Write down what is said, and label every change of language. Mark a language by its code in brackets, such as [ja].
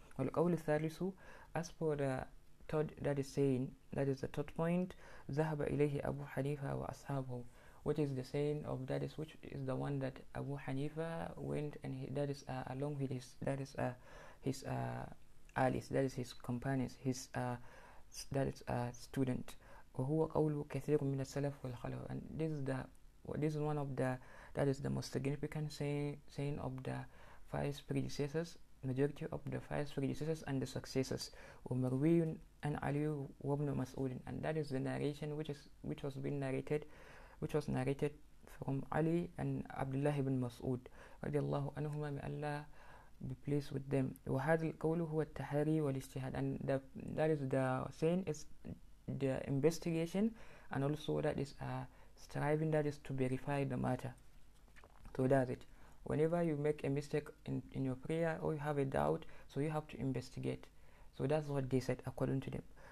[ar] والقول الثالث, [en] as for the third, that is saying, that is the third point, [ar] ذهب إليه أبو حنيفة وأصحابه. [en] which is the saying of that is which is the one that Abu Hanifa went and he, that is along with his that is his allies, that is his companions, his that is a student. [ar] وهو قول كثير من السلف والخلف. [en] And this is the this is one of the that is the most significant saying of the five predecessors, majority of the five predecessors and the successors. [ar] ومروي عن علي وابن مسعود. [en] And that is the narration which is which was been narrated, which was narrated from Ali and Abdullah ibn Mas'ud [ar] رضي الله عنهما. [en] May Allah be pleased with them. [ar] وهذا القول هو التحري والاجتهاد. [en] And the, that is the saying is the investigation and also that is striving, that is to verify the matter. So that's it. Whenever you make a mistake in your prayer or you have a doubt, so you have to investigate. So that's what they said according to them.